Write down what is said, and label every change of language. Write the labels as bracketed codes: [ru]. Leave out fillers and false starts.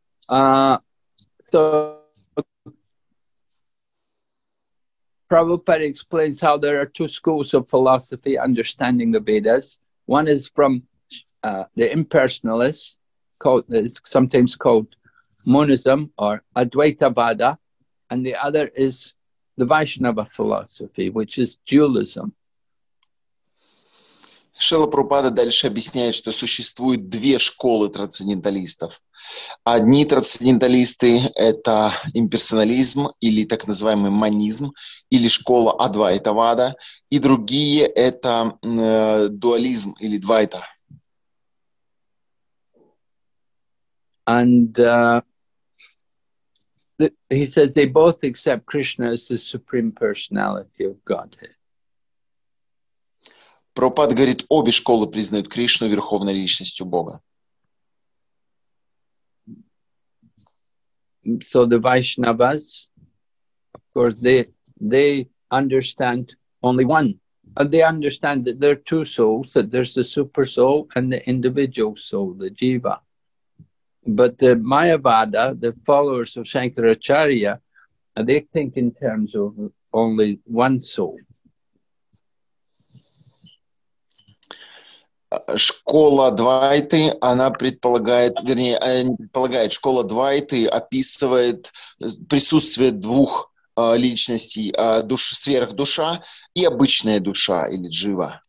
[en] So Prabhupada explains how there are two schools of philosophy understanding the Vedas. One is from the impersonalists, sometimes called monism or Advaitavada, and the other is the Vaishnava philosophy, which is dualism. [ru] Шрила Прабхупада дальше объясняет, что существует две школы трансценденталистов. Одни трансценденталисты — это имперсонализм или так называемый монизм, или школа Адвайтавада, и другие — это дуализм или Двайта. [en] And he says they both accept Krishna as the supreme personality of Godhead. [ru] Прабхупада говорит, обе школы признают Кришну верховной личностью Бога. [en] So the Vaishnavas, of course, they understand only one. They understand that there are two souls, that there's the super soul and the individual soul, the jiva. But the Mayavada, the followers of Shankaracharya, they think in terms of only one soul. [ru] Школа Двайты, она предполагает, вернее, не предполагает, школа Двайты описывает присутствие двух личностей, сверхдуша и обычная душа или джива.